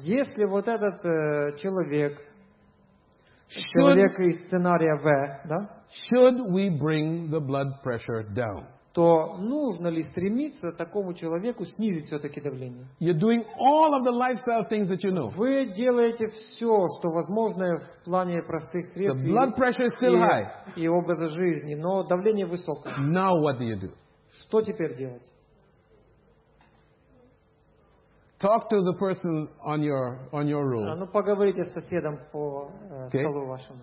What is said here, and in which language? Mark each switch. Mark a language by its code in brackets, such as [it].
[ru] если вот этот человек из сценария В, да? [en] Should we bring the blood pressure down? [ru] То нужно ли стремиться такому человеку снизить все-таки давление? [en] You're doing all of the lifestyle things that you know. [ru] Вы делаете все, что возможно в плане простых средств. [en] The blood pressure is still high. [ru] И образа жизни, но давление высокое. [en] Now what do you do? [ru] Что теперь делать? [en] Talk to the person on your row. [ru] Ну, поговорите с соседом по столу вашему.